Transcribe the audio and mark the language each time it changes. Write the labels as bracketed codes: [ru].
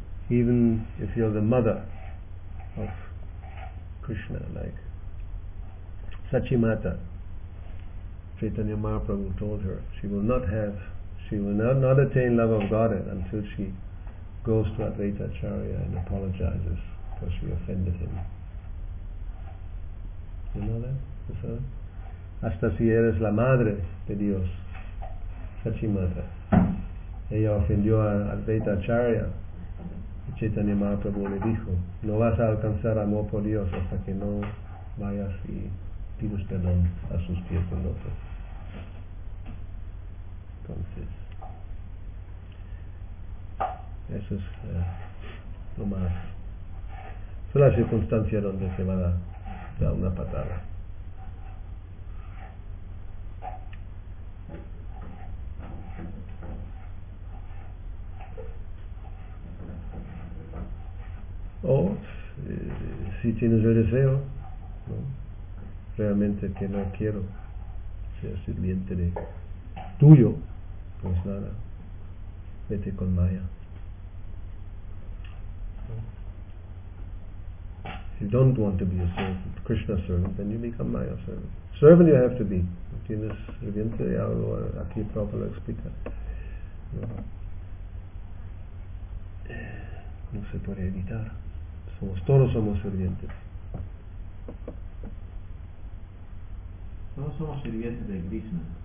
[en] Even if you're the mother of Krishna, like Sachimata, Chaitanya Mahaprabhu told her, she will not attain love of Godhead until she goes to Advaita Acharya and apologizes because she offended him. You know that? [es] Eso. Hasta si eres la madre de Dios, Sachimata, ella ofendió a Advaita Acharya, y Chaitanya Mahaprabhu le dijo, no vas a alcanzar amor por Dios hasta que no vayas y pides perdón a sus pies del otro. Entonces, eso es lo más. Es la circunstancia donde se va a da una patada. O si tienes el deseo, ¿no? Realmente que no quiero ser sirviente de tuyo, pues nada, vete con Maya. [en] You don't want to be a servant, Krishna servant, then you become Maya servant. Servant you have to be. [es] Tienes sirviente, ya lo aquí Prabhupada lo explica. No se puede evitar. Todos somos sirvientes. Todos somos sirvientes de Krishna.